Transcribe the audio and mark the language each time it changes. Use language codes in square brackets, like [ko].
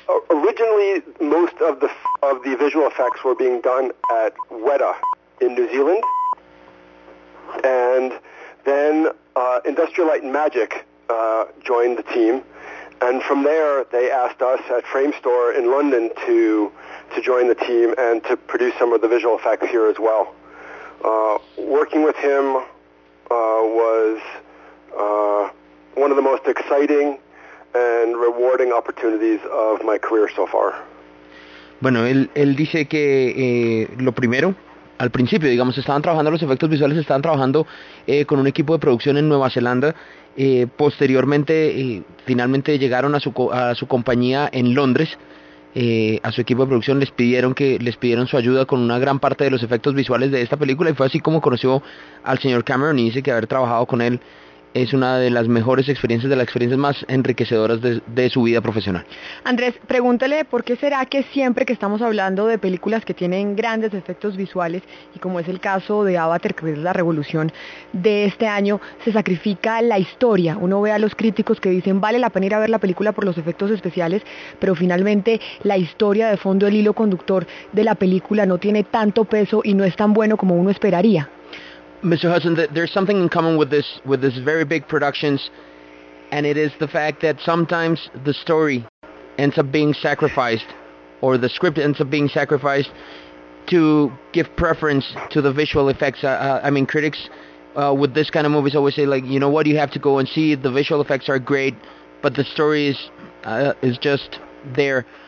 [en] Originally, most of the visual effects were being done at Weta in New Zealand, and then Industrial Light and Magic joined the team, and from there they asked us at Framestore in London to join the team and to produce some of the visual effects here as well. Working with him was one of the most exciting and rewarding opportunities of my career so far. [es] Bueno, él dice que lo primero, al principio, digamos, estaban trabajando los efectos visuales, estaban trabajando con un equipo de producción en Nueva Zelanda. Posteriormente, finalmente llegaron a su compañía en Londres. A su equipo de producción les pidieron su ayuda con una gran parte de los efectos visuales de esta película, y fue así como conoció al señor Cameron, y dice que haber trabajado con él es una de las mejores experiencias, de las experiencias más enriquecedoras de su vida profesional. Andrés, pregúntale, ¿por qué será que siempre que estamos hablando de películas que tienen grandes efectos visuales, y como es el caso de Avatar, que es la revolución de este año, se sacrifica la historia? Uno ve a los críticos que dicen, vale la pena ir a ver la película por los efectos especiales, pero finalmente la historia de fondo, el hilo conductor de la película, no tiene tanto peso y no es tan bueno como uno esperaría. [en] Mr. Hudson, there's something in common with this very big productions, and it is the fact that sometimes the story ends up being sacrificed, or the script ends up being sacrificed to give preference to the visual effects. I mean, critics with this kind of movies always say, like, you know what, you have to go and see it. The visual effects are great, but the story is just there.